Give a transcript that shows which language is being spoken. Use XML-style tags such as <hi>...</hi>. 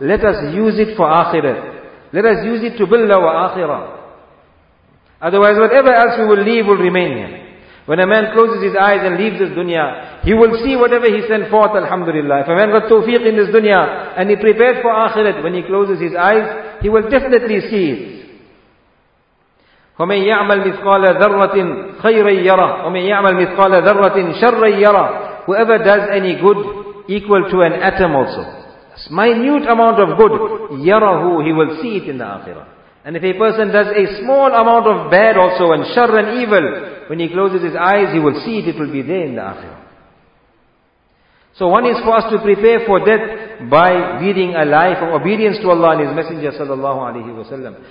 <en>Let us use it for akhirat. Let us use it to build our akhirah. Otherwise, whatever else we will leave will remain here. When a man closes his eyes and leaves this dunya, he will see whatever he sent forth, alhamdulillah. If a man got tawfiq in this dunya and he prepared for akhirat, when he closes his eyes, he will definitely see it.</en> <ar>وَمَنْ يَعْمَلْ مِثْقَالَ ذَرَّةٍ خَيْرًا يَرَهُ وَمَنْ يَعْمَلْ مِثْقَالَ ذَرَّةٍ شَرًّا يَرَهُ</ar> <en>Whoever does any good, equal to an atom also. A minute amount of good, يَرَهُ He will see it in the akhirah. And if a person does a small amount of bad also, and shar and evil, when he closes his eyes, he will see it will be there in the akhirah. So one is for us to prepare for death by leading a life of obedience to Allah and His Messenger sallallahu alayhi wa sallam.</en>